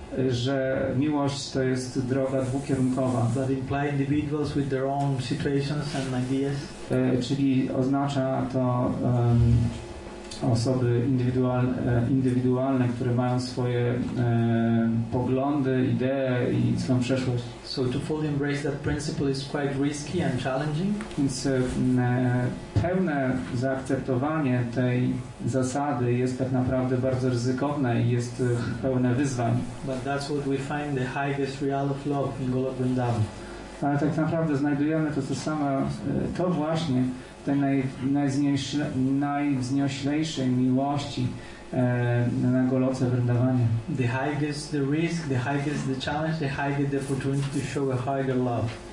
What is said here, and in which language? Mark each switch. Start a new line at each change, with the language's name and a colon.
Polish: Że miłość to jest droga dwukierunkowa.
English: That implies individuals with their own situations and ideas.
Polish: Czyli oznacza to osoby indywidualne, które mają swoje poglądy, idee i swoją przeszłość.
English: So to fully embrace that principle is quite risky and challenging.
Polish: Więc pełne zaakceptowanie tej zasady jest tak naprawdę bardzo ryzykowne i jest pełne wyzwań.
English: But that's what we find the highest real of love in Golok Vrindavan.
Polish: Ale tak naprawdę znajdujemy to właśnie tej najwznioślejszej miłości na Goloce Vrindavanie.
English: The highest the risk, the highest the challenge, the highest the opportunity to show a higher love.